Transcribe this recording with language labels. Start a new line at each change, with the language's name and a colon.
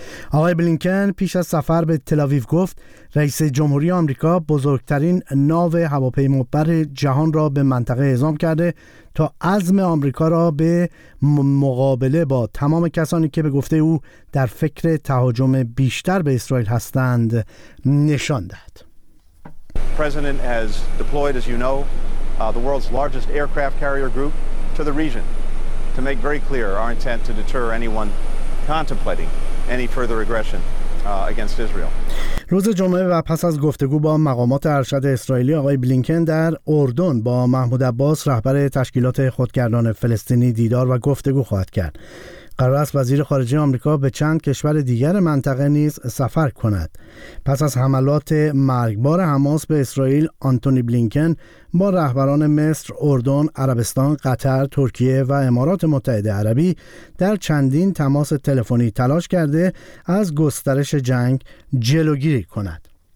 Persian: آقای بلینکن پیش از سفر به تل‌آویو گفت رئیس جمهوری آمریکا بزرگترین ناو هواپیمابر جهان را به منطقه اعزام کرده تا عزم آمریکا را به مقابله با تمام کسانی که به گفته او در فکر تهاجم بیشتر به اسرائیل هستند نشان داد.
English: President has deployed, as you know, the world's largest aircraft carrier group to the region to make very clear our intent to deter anyone contemplating any further aggression against Israel.
Persian: روز جمعه و پس از گفتگو با مقامات ارشد اسرائیلی، آقای بلینکن در اردن با محمود عباس رهبر تشکیلات خودگردان فلسطینی دیدار و گفتگو خواهد کرد. قرار است وزیر خارجه آمریکا به چند کشور دیگر منطقه نیز سفر کند. پس از حملات مرگبار حماس به اسرائیل، آنتونی بلینکن با رهبران مصر، اردن، عربستان، قطر، ترکیه و امارات متحده عربی در چندین تماس تلفنی تلاش کرده از گسترش جنگ جلوگیری کند.